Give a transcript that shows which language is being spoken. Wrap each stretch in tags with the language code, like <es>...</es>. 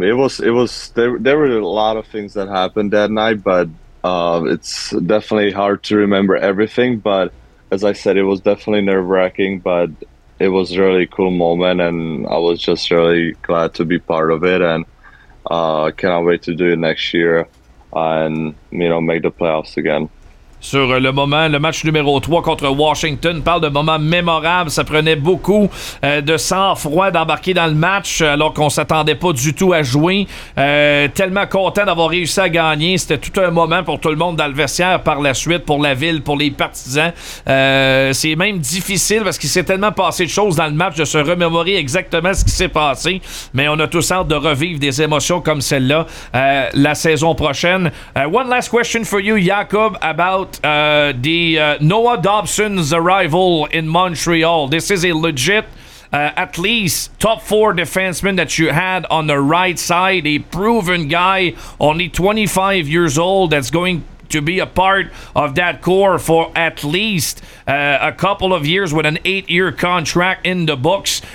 <en>There were a lot of things that happened that night, but it's definitely hard to remember everything. But as I said, it was definitely nerve-wracking, but it was a really cool moment, and I was just really glad to be part of it, and cannot wait to do it next year and, you know, make the playoffs again.</en> <fr>Sur le moment, le match numéro 3 contre Washington, parle d'un moment mémorable. Ça prenait beaucoup de sang-froid d'embarquer dans le match alors qu'on s'attendait pas du tout à jouer. Tellement content d'avoir réussi à gagner. C'était tout un moment pour tout le monde dans le vestiaire par la suite, pour la ville, pour les partisans. C'est même difficile parce qu'il s'est tellement passé de choses dans le match de se remémorer exactement ce qui s'est passé. Mais on a tous hâte de revivre des émotions comme celle-là la saison prochaine.</fr> <en>One last question for you, Jakob, about the Noah Dobson's arrival in Montreal. This is a legit, at least top four defenseman that you had on the right side, a proven guy, only 25 years old, that's going to be a part of that core for at least a couple of years with an 8-year contract in the books.</en>